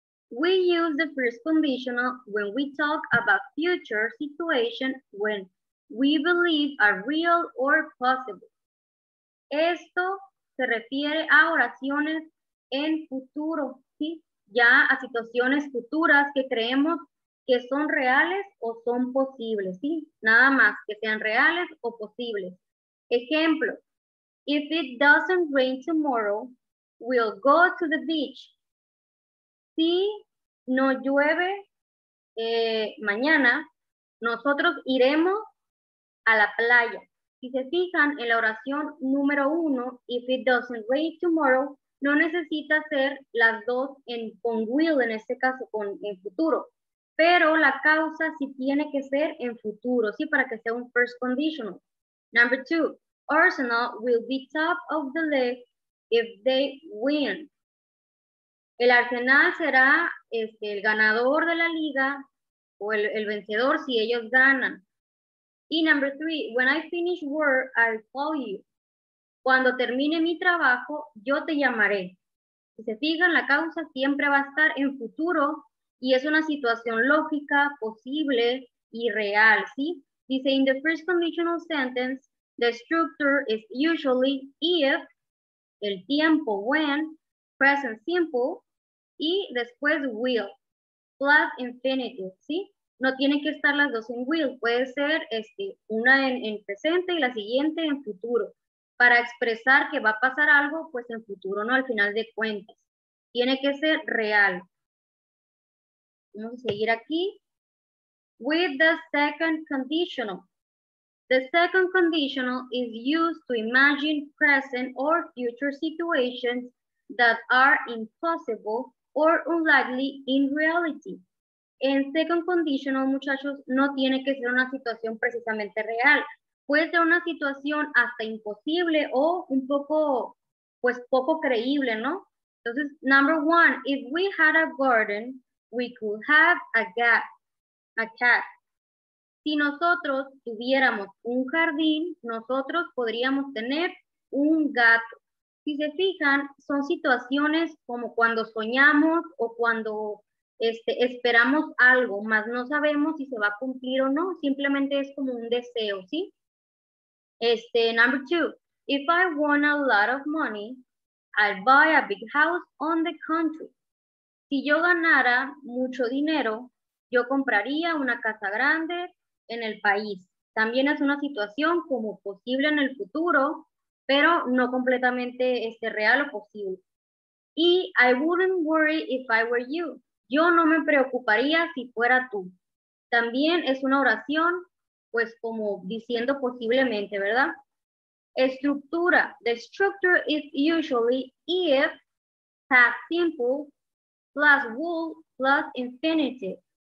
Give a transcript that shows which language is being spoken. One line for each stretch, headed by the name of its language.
English: We use the first conditional when we talk about future situation when we believe are real or possible.
Spanish: Esto se refiere a oraciones en futuro, ¿sí? Ya a situaciones futuras que creemos que son reales o son posibles, ¿sí? Nada más, que sean reales o posibles. Ejemplo.
English: If it doesn't rain tomorrow, we'll go to the beach.
Spanish: Si no llueve mañana, nosotros iremos a la playa. Si se fijan en la oración número 1,
English: if it doesn't rain tomorrow,
Spanish: no necesita ser las dos en, con will, en este caso con en futuro. Pero la causa sí tiene que ser en futuro, sí, para que sea un first conditional.
English: Number 2. Arsenal will be top of the league if they win.
Spanish: El Arsenal será el ganador de la liga o el vencedor si ellos ganan. Y
English: number 3, when I finish work, I'll call you.
Spanish: Cuando termine mi trabajo, yo te llamaré. Si se fijan, la causa siempre va a estar en futuro y es una situación lógica, posible y real, ¿sí? Dice,
English: in the first conditional sentence, the structure is usually if,
Spanish: el tiempo,
English: when, present simple,
Spanish: y después
English: will, plus infinitive,
Spanish: ¿sí? No tienen que estar las dos en will, puede ser una en presente y la siguiente en futuro. Para expresar que va a pasar algo, pues en futuro, ¿no? Al final de cuentas. Tiene que ser real. Vamos a seguir aquí.
English: With the second conditional. The second conditional is used to imagine present or future situations that are impossible or unlikely in reality.
Spanish: En second conditional, muchachos, no tiene que ser una situación precisamente real. Puede ser una situación hasta imposible o un poco, pues poco creíble, ¿no? Entonces,
English: number one, if we had a garden, we could have a cat.
Spanish: Si nosotros tuviéramos un jardín, nosotros podríamos tener un gato. Si se fijan, son situaciones como cuando soñamos o cuando esperamos algo, mas no sabemos si se va a cumplir o no, simplemente es como un deseo, ¿sí?
English: Number two, if I want a lot of money, I'd buy a big house on the country.
Spanish: Si yo ganara mucho dinero, yo compraría una casa grande en el país. También es una situación como posible en el futuro, pero no completamente real o posible. Y
English: I wouldn't worry if I were you.
Spanish: Yo no me preocuparía si fuera tú. También es una oración, pues como diciendo posiblemente, ¿verdad? Estructura.
English: The structure is usually if, past simple, plus will, plus infinitive.